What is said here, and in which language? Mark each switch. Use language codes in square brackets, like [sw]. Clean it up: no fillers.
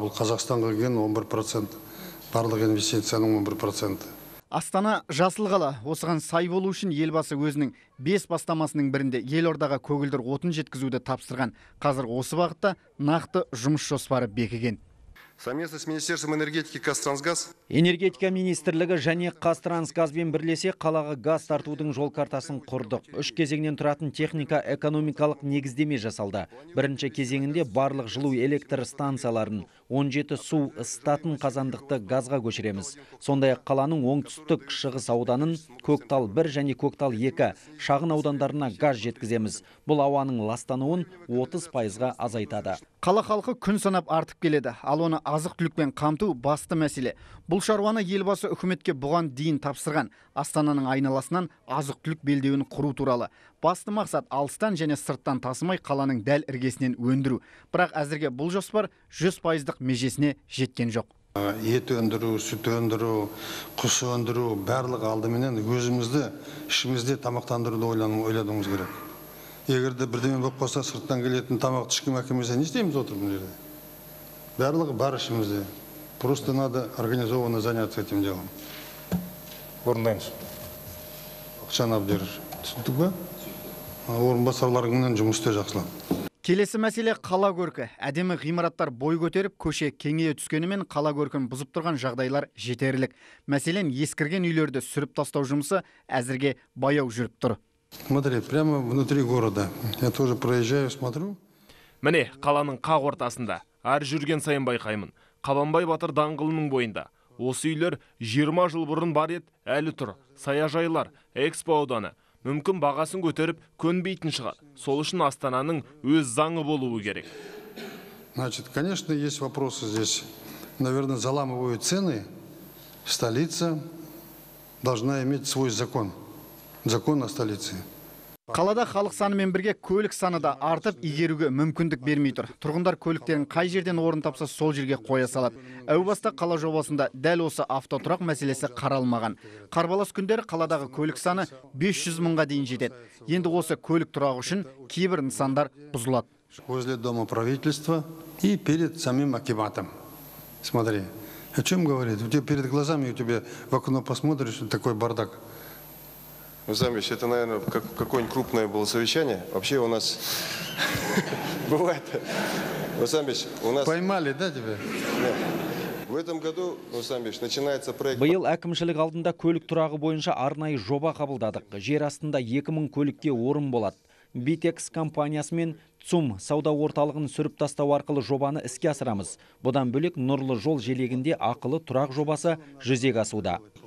[kk] Бұл Қазақстанға келген 11%, барлық инвестицияның 11%. Астана жасыл қала. Осыған сай болу үшін елбасы өзінің 5 бастамасының бірінде елордаға көгілдір отын жеткізуді тапсырған. Қазір осы бағытта нақты жұмыс жоспары бекіген. [ru] Совместно с Министерством энергетики Казтрансгаз. [kk] Энергетика министрлігі және Қазтрансгазбен бірлесе қалаға газ тартудың жол картасын құрдық. Үш кезеңнен тұратын техника экономикалық негіздеме жасалды. Бірінші кезеңінде барлық жылу электр станцияларын, 17 су ыстатын қазандықты газға көшіреміз. Сондай қаланың оңтүстік шығыс ауданын Көктал 1 және Көктал 2 шағын аудандарына газ жеткіземіз. Бұл ауаның ластануын 30%-ға азайтады. Қала халқы күн санап артып келеді, ал оны азық-түлікпен қамту басты мәселе. Бұл шаруаны елбасы үкіметке бұған дейін тапсырған Астананың айналасынан азық-түлік белдеуін құру туралы. Басты мақсат алыстан және сырттан тасымай қаланың дәл іргесінен өндіру. Бірақ әзірге бұл жоспар 100%-дық межесіне жеткен жоқ. Ет өндіру, сүт өндіру, құс өндіру барлық алдыменен өзімізді, ішімізді тамақтандыруды ойладыңыз керек. Егер де бірдеме болып қалса сырттан келетін тамақты ішкім әкелмесе не істейміз отырып мына жерде? Барлығы бар ішімізде. [ru] Просто надо организованно заняться этим делом. [kk] Орындаймыз. Ақшаны абдеріп түсіндік пе? Орынбасарларыңмен жұмыс істеу жақсылап. Келесі мәселе қала көркі. Әдемі ғимараттар бой көтеріп, көше кеңейе түскенімен қала көркін бұзып тұрған жағдайлар жетерлік. Мәселен, ескірген үйлерді сүріп тастау жұмысы әзірге баяу жүріп тұр. [ru] Смотри, прямо внутри города. Я тоже проезжаю, смотрю. [kk] Міне, қаланың қақ ортасында, әр жүрген сайын байқаймын. Қабанбай батыр даңғылының бойында. Осы үйлер 20 жыл бұрын бар ет, әлі тұр. Саяжайлар, экспо ауданы. Мүмкін бағасын көтеріп, көнбейтін шығар. Сол үшін Астананың өз заңы болуы керек. [ru] Значит, конечно, есть вопросы здесь. Наверное, заламывают цены. Столица должна иметь свой закон. Закон о столице. [kk] Қалада халық санымен бірге көлік саны да артып, игеруге мүмкіндік бермей тұр. Тұрғындар көліктерін қай жерден орын тапса сол жерге қоя салады. Әу баста қала жобасында дәл осы автотұрақ мәселесі қаралмаған. Қарбалас күндері қаладағы көлік саны 500 мыңға дейін жетеді. Енді осы көлік тұрағы үшін кейбір нысандар бұзылады. [ru] Возле дома правительства и перед самим акиматом. Смотри, о чем говорит? У тебя перед глазами, у тебя в окно посмотришь, такой бардак. Замеч, это, наверное, какое-нибудь крупное было совещание. Вообще у нас бывает. Замеч, у нас поймали, да, тебе? В этом году, Замеч, начинается проект. [kk] Биыл әкімшілік алдында көлік тұрағы бойынша арнайы жоба қабылдадық. Жер астында 2000 көлікке орын болады. Битекс компаниясымен ЦУМ сауда орталығын сүріп тастау арқылы жобаны іске асырамыз. Бұдан бөлек нұрлы жол желегінде ақылы тұрақ жобасы жүзеге асуда.